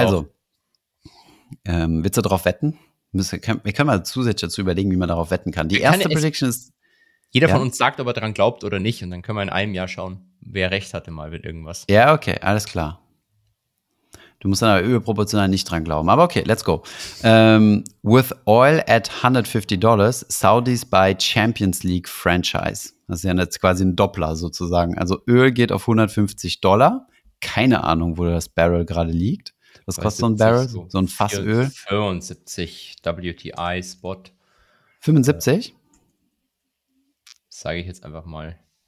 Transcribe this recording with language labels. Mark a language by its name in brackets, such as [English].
[German] Also, willst du darauf wetten? Wir können mal zusätzlich dazu überlegen, wie man darauf wetten kann. Die erste Prediction ist... Jeder von uns sagt, ob er daran glaubt oder nicht. Und dann können wir in einem Jahr schauen, wer recht hatte mal mit irgendwas. Ja, okay, alles klar. Du musst dann aber überproportional nicht dran glauben. Aber okay, [English] let's go. With oil at $150, Saudis buy Champions League Franchise. [German] Das ist ja jetzt quasi ein Doppler sozusagen. Also Öl geht auf $150. Keine Ahnung, wo das Barrel gerade liegt. Was kostet so ein Barrel, so ein Fass Öl? 75 WTI Spot. 75? Sage ich jetzt einfach mal.